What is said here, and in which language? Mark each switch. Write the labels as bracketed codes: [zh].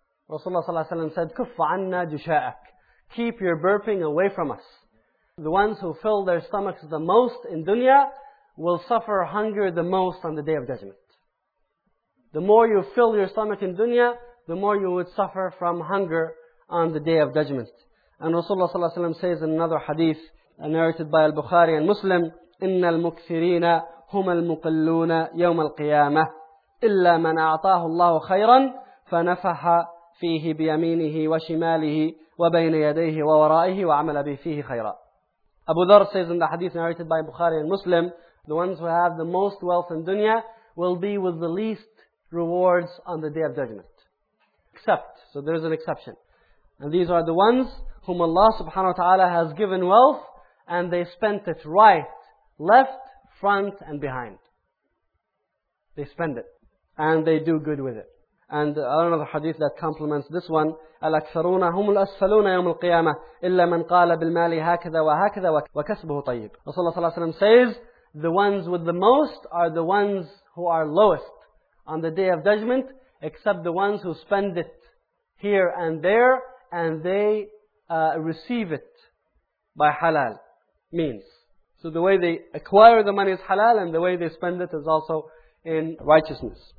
[ar] Rasulullah صلى الله عليه وسلم [en] said, [ar] كف عنا جشاءك. [en] Keep your burping away from us. The ones who fill their stomachs the most in dunya will suffer hunger the most on the Day of Judgment. The more you fill your stomach in dunya, the more you would suffer from hunger on the Day of Judgment. And Rasulullah sallallahu alayhi wa sallam says in another hadith narrated by Al-Bukhari and Muslim, [ar] إِنَّ الْمُكْثِرِينَ هُمَ الْمُقَلُّونَ يَوْمَ الْقِيَامَةِ إِلَّا مَنْ أَعْطَاهُ اللَّهُ خَيْرًا فَنَفَحَ فِيهِ بِيَمِينِهِ وَشِمَالِهِ وَبَيْنَ يَدَيْهِ وَوَرَائِهِ وَعَمَلَ بِهِ فِيهِ خَيْرًا. [en] Abu Dharr says in the hadith narrated by Bukhari and Muslim, the ones who have the most wealth in dunya will be with the least rewards on the Day of Judgment. Except, so there is an exception. And these are the ones whom Allah subhanahu wa ta'ala has given wealth and they spent it right, left, front and behind. They spend it and they do good with it. And another hadith that complements this one, [ar] الأكثرون هم الأسفلون يوم القيامة إلا من قال بالمال هكذا وهكذا وكسبه طيب. [en] Rasulullah [ar] صلى الله عليه وسلم [en] says, the ones with the most are the ones who are lowest on the Day of Judgment, except the ones who spend it here and there, and they receive it by halal means. So the way they acquire the money is halal, and the way they spend it is also in righteousness.